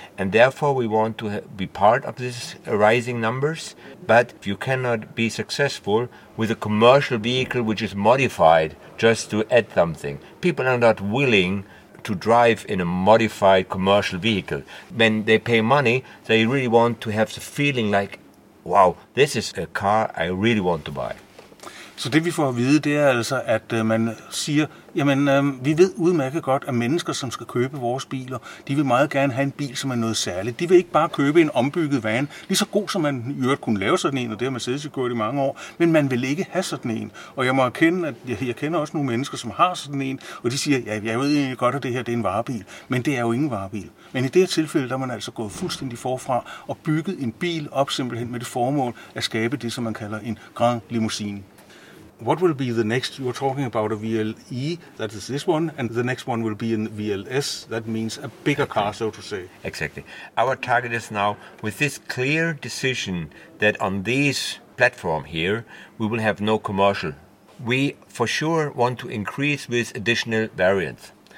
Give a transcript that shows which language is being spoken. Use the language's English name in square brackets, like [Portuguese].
[English] And therefore, we want to be part of this rising numbers, but you cannot be successful with a commercial vehicle which is modified just to add something. People are not willing to drive in a modified commercial vehicle. When they pay money, they really want to have the feeling like, wow, this is a car I really want to buy. [Danish] Så det vi får at vide, det er altså, at man siger, jamen vi ved udmærket godt, at mennesker, som skal købe vores biler, de vil meget gerne have en bil, som er noget særligt. De vil ikke bare købe en ombygget van, lige så god som man i øvrigt kunne lave sådan en, og det har Mercedes gjort i mange år, men man vil ikke have sådan en. Og jeg må erkende, at jeg kender også nogle mennesker, som har sådan en, og de siger, ja, jeg ved egentlig godt, at det her det er en varebil, men det er jo ingen varebil. Men i det her tilfælde, der er man altså gået fuldstændig forfra og bygget en bil op simpelthen med det formål at skabe det, som man kalder en grand limousine. [English] What will be the next? You were talking about a VLE, that is this one, and the next one will be a VLS, that means a bigger car, so to say. Exactly. Our target is now, with this clear decision that on this platform here, we will have no commercial. We for sure want to increase with additional variants.